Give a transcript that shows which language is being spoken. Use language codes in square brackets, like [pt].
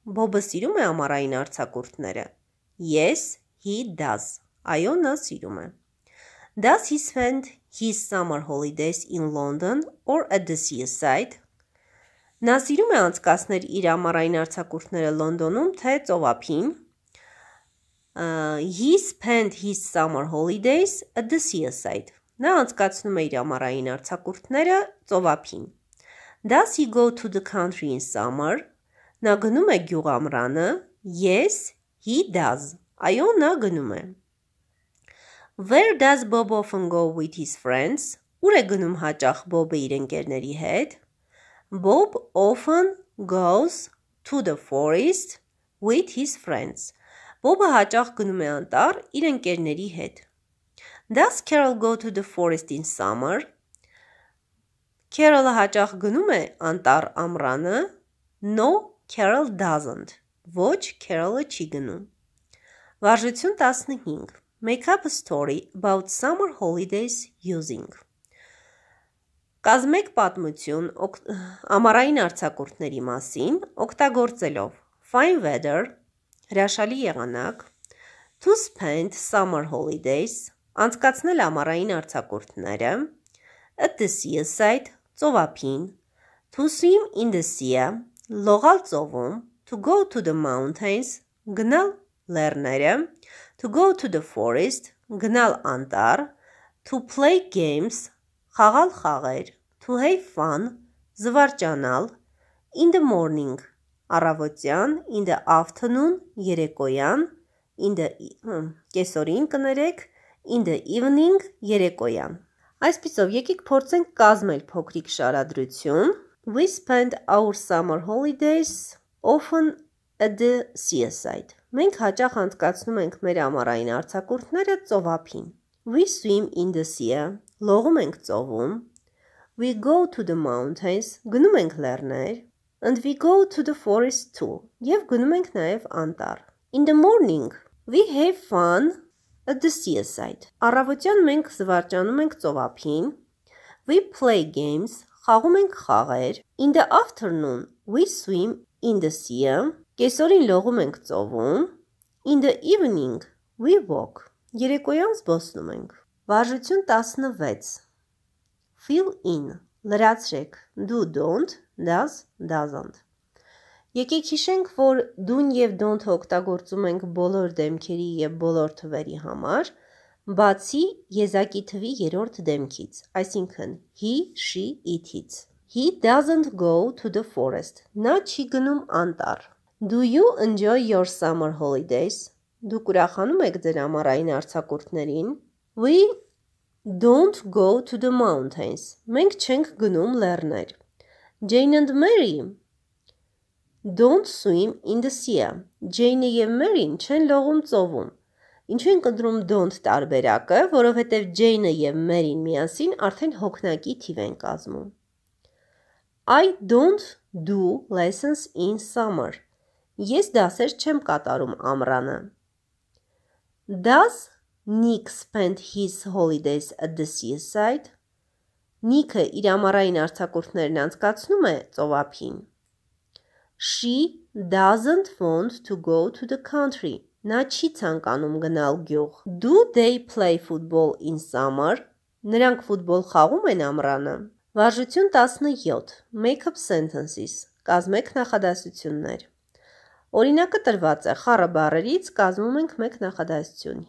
[hy] Bob-ը սիրում է ամառային արձակուրդները. [en] Yes, he does. [hy] Այո, նա սիրում է. [en] Does he spend his summer holidays in London or at the seaside? [hy] Նա սիրում է անցկացնել իր ամառային արձակուրդները Լոնդոնում թե ծովափին. [en] He spent his summer holidays at the seaside. [hy] Նա անցկացնում է իր ամառային արձակուրդները ծովափին. [en] Does he go to the country in summer? [hy] Նա գնում է գյուղ ամռանը. [en] Yes, he does. [hy] Այո, նա գնում է. [en] Where does Bob often go with his friends? [hy] Ուր է գնում հաճախ Bob-ը իր ընկերների հետ? [en] Bob often goes to the forest with his friends. [hy] Bob-ը հաճախ գնում է անտառ իր ընկերների հետ. [en] Does Carol go to the forest in summer? [hy] Carol-ը հաճախ գնում է անտառ ամռանը. [en] No, Carol doesn't. [hy] Ոչ, Carol-ը չի գնում. Վարժություն 15. [en] Make up a story about summer holidays using. [hy] Կազմեք պատմություն ամառային արձակուրդների մասին օգտագործելով [en] fine weather, [hy] հրաշալի եղանակ, [en] to spend summer holidays, [hy] անցկացնել ամառային արձակուրդները, [en] at the seaside, [hy] ծովափին, [en] to swim in the sea, [hy] լողալ ծովում, [en] to go to the mountains, [hy] գնալ լեռները, [en] to go to the forest, [hy] գնալ անտառ, [en] to play games, [hy] խաղալ խաղեր, [en] to have fun, [hy] զվարճանալ, [en] in the morning, [hy] առավոտյան, [en] in the afternoon, [hy] երեկոյան, [en] in the [hy] կեսօրին կներեք, [en] in the evening, [hy] երեկոյան։ Այսպիսով եկեք փորձենք կազմել փոքրիկ շարադրություն. [en] We spend our summer holidays often at the seaside. [hy] Մենք հաճախ անցկացնում ենք մեր ամառային արձակուրդները ծովափին. [en] We swim in the sea. [hy] Լողում ենք ծովում. [en] We go to the mountains. [hy] Գնում ենք լեռներ. [en] And we go to the forest too. [hy] Եվ գնում ենք նաև անտառ. [en] In the morning, we have fun at the seaside. [hy] Առավոտյան մենք զվարճանում ենք ծովափին. [en] We play games. [hy] Խաղում ենք խաղեր. [en] In the afternoon, we swim in the sea. [hy] Կեսօրին լողում ենք ծովում. [en] In the evening, we walk. [hy] Երեկոյան զբոսնում ենք. Վարժություն 16. [en] Fill in. [hy] Լրացրեք. [en] Do don't, does doesn't. [hy] Եկեք հիշենք, որ do-ն եւ don't-ը օգտագործում ենք բոլոր դեմքերի եւ բոլոր թվերի համար, բացի եզակի թվի երրորդ դեմքից, այսինքն he, she, it-ից. [en] He doesn't go to the forest. [hy] Նա չի գնում անտառ. [en] Do you enjoy your summer holidays? [hy] Դուք ուրախանում եք ձեր ամառային արձակուրդներին? [en] We don't go to the mountains. [hy] Մենք չենք գնում լեռներ. [en] Jane and Mary don't swim in the sea. [hy] Jane-ը և Mary-ն չեն լողում ծովում. Ինչու են կտրում don't տարբերակը, որովհետև Jane-ը և Mary-ն միասին արդեն հոգնակի թիվ են կազմում. [en] I don't do lessons in summer. [hy] Ես դասեր չեմ կատարում ամռանը. [en] Does Nick spend his holidays at the seaside? [hy] Նիկը իր ամառային արձակուրդներն անցկացնում է ծովափին. [en] She doesn't want to go to the country. [hy] Նա չի ցանկանում գնալ գյուղ. [en] Do they play football in summer? [hy] Նրանք ֆուտբոլ խաղում են ամռանը. Վարժություն 17. [en] Make up sentences. [hy] Կազմեք նախադասություններ. Օրինակը տրված է խառը բառերից, կազմում ենք մեկ նախադասություն.